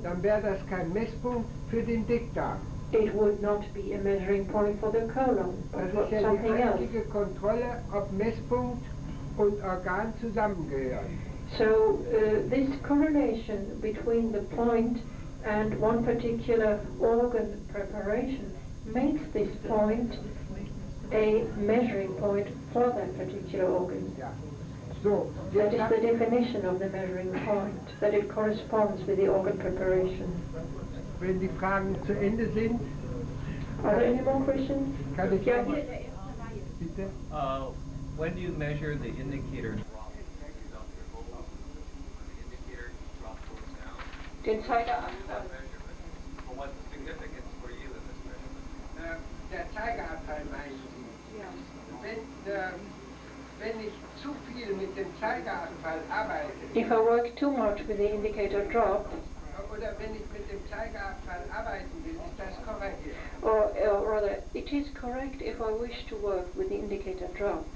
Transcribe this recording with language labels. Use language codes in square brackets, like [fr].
[de] dann wäre das kein Messpunkt für den Dickdarm. [en] It would not be a measuring point for the colon, but [de] das ist ja [en] something [de] die einzige [en] else. [de] Kontrolle, ob Messpunkt und Organ zusammengehören. [en] So this correlation between the point and one particular organ preparation makes this point a measuring point for that particular organ. Yeah. So, that is the definition of the measuring point, that it corresponds with the organ preparation. [de] Wenn die Fragen zu Ende sind, [en] are there any more questions? [de] Kann ich ja, bitte. [en] When do you measure the indicator? [de] Den Zeiger abfallen. [en] What's the significance for you in this measurement? [de] Der Zeiger abfallen meinen Sie. Ja. Wenn ich zu viel mit dem Zeiger abfallen arbeite. [en] If I work too much with the indicator drop. [de] Oder wenn ich mit dem Zeiger abfallen arbeiten will, ist das korrekt? [en] Or rather, it is correct if I wish to work with the indicator drop.